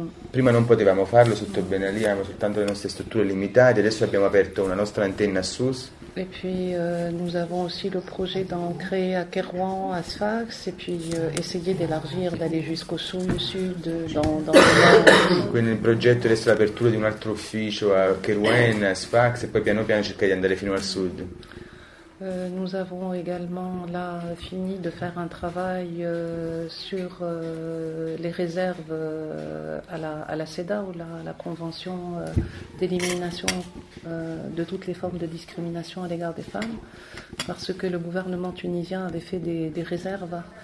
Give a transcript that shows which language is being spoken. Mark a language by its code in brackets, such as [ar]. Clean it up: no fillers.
[it] Prima non potevamo farlo sotto Ben Ali, avevamo soltanto le nostre strutture limitate. Adesso abbiamo aperto una nostra antenna a Sousse. [fr] Et puis, nous avons aussi le projet d'en créer à Kairouan, à Sfax, et puis essayer d'élargir, d'aller jusqu'au sud, dans le nord. [it] Quindi il progetto adesso è l'apertura di un altro ufficio a Kairouan, a Sfax, e poi piano piano cercare di andare fino al sud. [fr] Nous avons également là fini de faire un travail sur les réserves à la CEDAW, ou la convention d'élimination de toutes les formes de discrimination à l'égard des femmes, parce que le gouvernement tunisien avait fait des réserves.